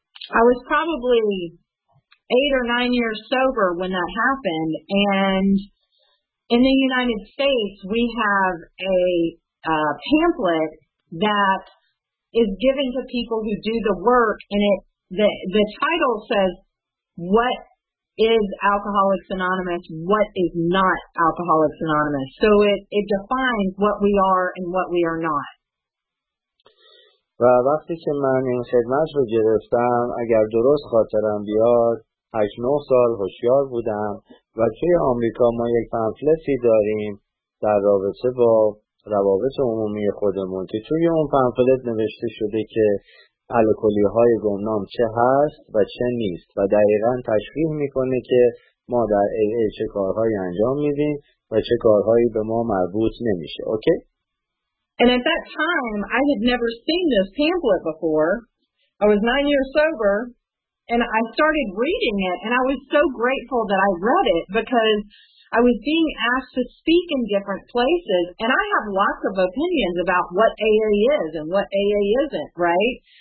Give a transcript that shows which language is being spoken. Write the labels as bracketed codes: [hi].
[en] I was probably 8 or 9 years sober when that happened, and in the United States we have a pamphlet that is given to people who do the work, and it the title says what is Alcoholics Anonymous, what is not Alcoholics Anonymous. So it defines what we are and what we are not. [fa] و وقتی که من این خدمت رو گرفتم، اگر درست خاطرم بیاد 8-9 سال هوشیار بودم و توی آمریکا ما یک پمفلتی داریم در رابطه با روابط عمومی خودمون که توی اون پمفلت نوشته شده که الکلی های گمنام چه هست و چه نیست و دقیقا تشریح میکنه که ما در AA چه کارهایی انجام میدیم و چه کارهایی به ما مربوط نمیشه. [en] Okay? And at that time I had never seen this pamphlet before. I was 9 years sober. And I started reading it, and I was so grateful that I read it because I was being asked to speak in different places, and I have lots of opinions about what AA is and what AA isn't, right?